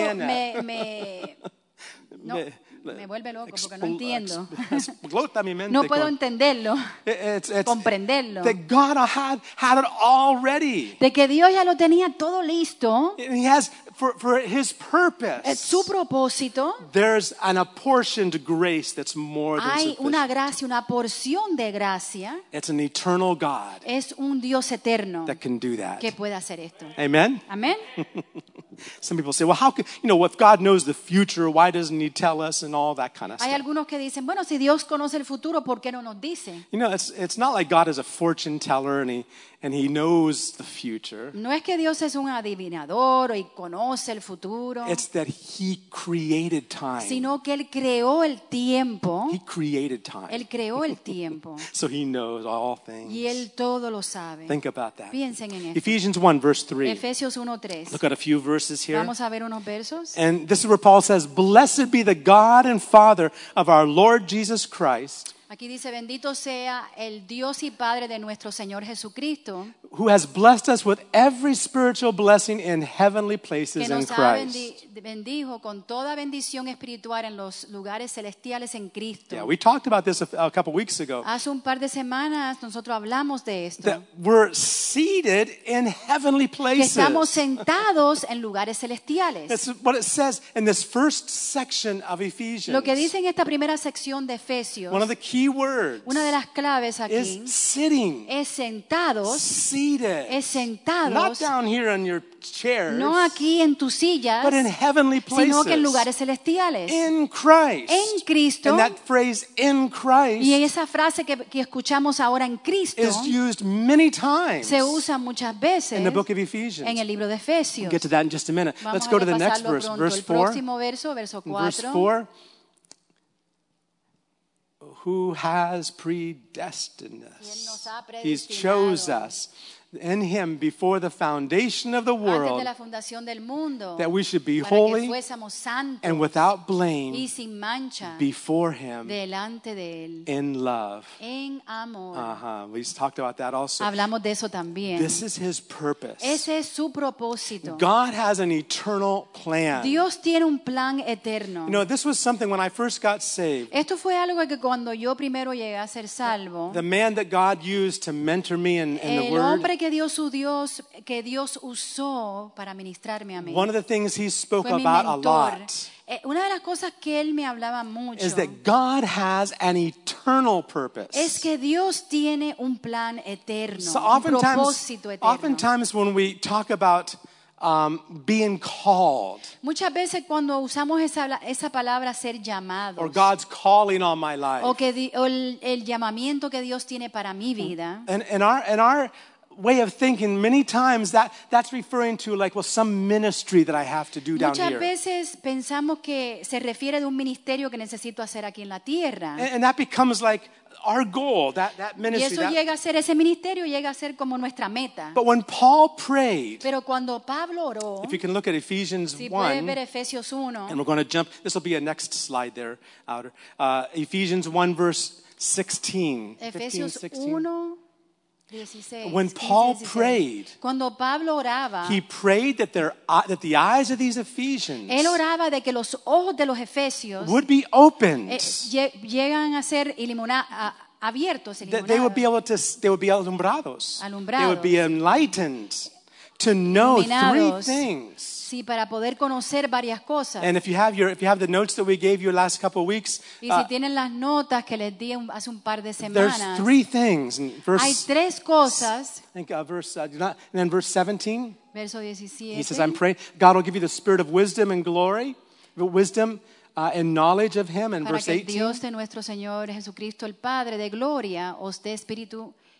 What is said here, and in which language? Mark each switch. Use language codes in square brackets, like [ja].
[en] understand that. [es] me vuelve loco porque no entiendo. Explota mi mente. No puedo entenderlo. Comprenderlo. [en] That God had it already. [es] De que Dios ya lo tenía todo listo. [en] He has for his purpose. [es] Es su propósito. [en] There's an apportioned grace that's more than sufficient. [es] Hay una gracia, una porción de gracia. [en] It's an eternal God. [es] Es un Dios eterno. [en] That can do that. [es] Que puede hacer esto. [en] Amen. [es] Amen. [en] Some people say, well, how could, you know, if God knows the future, why doesn't he tell us and all that kind of stuff? [es] Hay algunos que dicen, bueno, si Dios conoce el futuro, ¿por qué no nos dice? [en] You know, it's not like God is a fortune teller and he knows the future. [es] No es que Dios es un adivinador y conoce el futuro. [en] It's that he created time. [es] Sino que él creó el tiempo. [en] He created time. [es] Él creó el tiempo. [en] So he knows all things. [es] Y él todo lo sabe. [en] Think about that. [es] Piensen en eso. [en] Ephesians 1 verse 3. [es] Efesios 1:3. [en] Look at a few verses here. [es] Vamos a ver unos versos. [en] And this is where Paul says, "Blessed be the God and Father of our Lord Jesus Christ." [es] Aquí dice, bendito sea el Dios y Padre de nuestro Señor Jesucristo. [en] Who has blessed us with every spiritual blessing in heavenly places in Christ. [es] Que nos bendijo con toda bendición espiritual en los lugares celestiales en Cristo. [en] Yeah, we talked about this a couple weeks ago. [es] Hace un par de semanas nosotros hablamos de esto. [en] That we're seated in heavenly places. [es] Que estamos sentados en lugares celestiales. [en] That's what it says in this first section of Ephesians. [es] Lo que dice en esta primera sección de Efesios. [en] One of the key key words. [es] Una de las claves aquí [en] is sitting. [es] Es sentados. [en] Seated. [es] Es sentados. [en] Not down here on your chairs. [es] No aquí en tus sillas. [en] But in heavenly places. [es] Sino que en lugares celestiales. [en] In Christ. [es] En Cristo. [en] And that phrase in Christ. [es] Y esa frase que escuchamos ahora en Cristo. [en] Is used many times. [es] Se usa muchas veces. [en] In the book of Ephesians. [es] En el libro de Efesios. [en] We'll get to that in just a minute. [es] Vamos [en] Let's go to the next verse. Verse 4. Verse 4. Who has predestined us? He's chose us in him before the foundation of the world that we should be holy and without blame before him in love. Uh-huh. We've talked about that also. [es] Hablamos de eso también. [en] This is his purpose. [es] Ese es su propósito. [en] God has an eternal plan. [es] Dios tiene un plan eterno. [en] You know, this was something when I first got saved. [es] Esto fue algo que cuando yo primero llegué a ser salvo, [en] the man that God used to mentor me in the word. [es] Que Dios usó para ministrarme a mí. [en] One of the things he spoke about a lot. [es] Una de las cosas que él me hablaba mucho [en] is that God has an eternal purpose. [es] Es que Dios tiene un plan eterno, [en] so [es] un propósito eterno. [en] Oftentimes when we talk about being called. [es] Muchas veces cuando usamos esa palabra ser llamados. [en] Or God's calling on my life. [es] O el llamamiento que Dios tiene para mi vida. [en] And our way of thinking, many times that's referring to like, well, some ministry that I have to do down [es] muchas [en] here. [es] Veces pensamos que se refiere de un ministerio que necesito hacer aquí en la tierra. [en] And that becomes like our goal, that ministry. [es] Y eso llega a ser, ese ministerio llega a ser como nuestra meta. [en] But when Paul prayed, [es] pero cuando Pablo oró, [en] if you can look at Ephesians 1, [es] puede ver Efesios 1, [en] and we're going to jump, this will be a next slide there, outer. Ephesians 1 verse 16. [es] Efesios 15, 16. 1, [en] when Paul prayed, [es] cuando Pablo oraba, [en] he prayed that that the eyes of these Ephesians, [es] él oraba de que los ojos de los Efesios, [en] would be opened. [es] Llegan a ser abiertos, [en] they would be able to, they would be alumbrados. [es] Alumbrados. [en] They would be enlightened to know three things. [es] Sí, para poder conocer varias cosas. [en] And if you have the notes that we gave you last couple of weeks, [es] y si tienen las notas que les di hace un par de semanas, [en] there's three things. Verse, [es] hay tres cosas. [en] I think and then verse 17. [es] Verso 17. [en] He says, "I'm praying God will give you the spirit of wisdom and glory, wisdom and knowledge of Him." And [es] para [en] verse 18. [es] Dios de nuestro Señor Jesucristo, el Padre de gloria, os dé espíritu.